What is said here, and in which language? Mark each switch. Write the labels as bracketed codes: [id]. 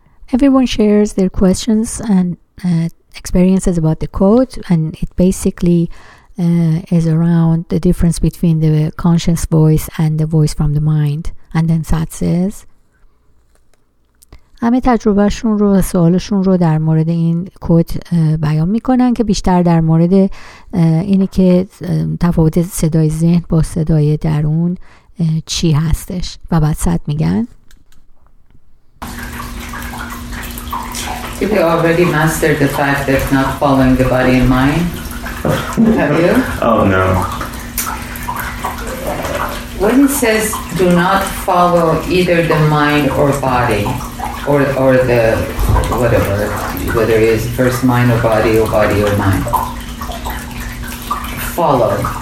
[en] Everyone shares their questions and experiences about the quote, and it basically is around the difference between the conscious voice and the voice from the mind. And then Sat says, [fa] همه تجربهشون رو و سوالشون رو در مورد این کد بیان میکنن که بیشتر در مورد اینی که تفاوت صدای ذهن با صدای درون چی هستش. و بعد Sat میگن [en] Have you already mastered the fact that not following the body and mind? Have you? Oh, no. When it says, do not follow either the mind or body, or the whatever, whether it is first mind or body, or body or mind, follow.